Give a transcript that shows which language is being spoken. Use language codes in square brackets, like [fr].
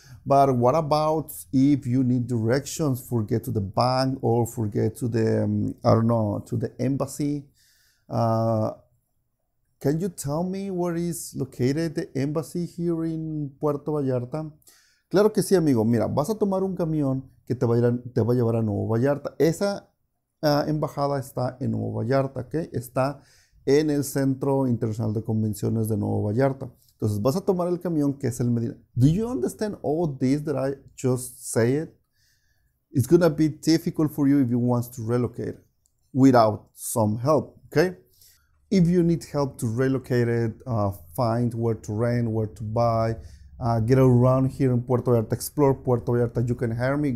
[en] But what about if you need directions, forget to the bank or forget to the, to the embassy? Can you tell me where is located the embassy here in Puerto Vallarta? [es] Claro que sí, amigo. Mira, vas a tomar un camión que te va a llevar a Nuevo Vallarta. Esa embajada está en Nuevo Vallarta, ¿ok? Está en el Centro Internacional de Convenciones de Nuevo Vallarta. Entonces, vas a tomar el camión que es el Medina. [en] Do you understand all this that I just said? It's going to be difficult for you if you want to relocate without some help, okay? If you need help to relocate it, find where to rent, where to buy, get around here in Puerto Vallarta, explore Puerto Vallarta, you can hire me.